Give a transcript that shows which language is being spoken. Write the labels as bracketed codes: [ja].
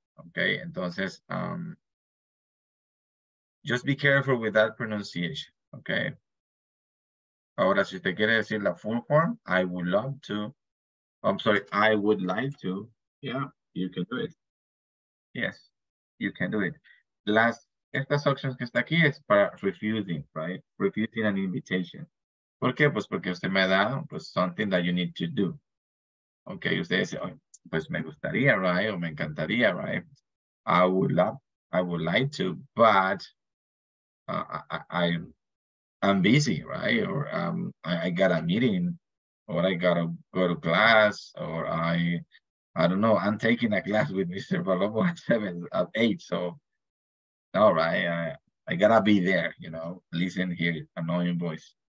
[en] Okay, entonces, just be careful with that pronunciation. Okay. [es] Ahora, si usted quiere decir la [en] full form, I would love to. I'm sorry, I would like to. Yeah, you can do it. Yes. you can do it. [es] Last, estas opciones que está aquí es para refusing, right? [en] Refusing an invitation. [es] ¿Por qué? Pues porque usted me ha dado, pues, [en] something that you need to do. [es] Okay, usted dice, oh, pues me gustaría, right? O me encantaría, right? [en] I would like to, but I'm busy, right? Or I got a meeting, or I gotta go to class, or I don't know, I'm taking a class with Mr. Palomo at 7 at 8. So all right, I gotta be there, you know, listen here, annoying voice.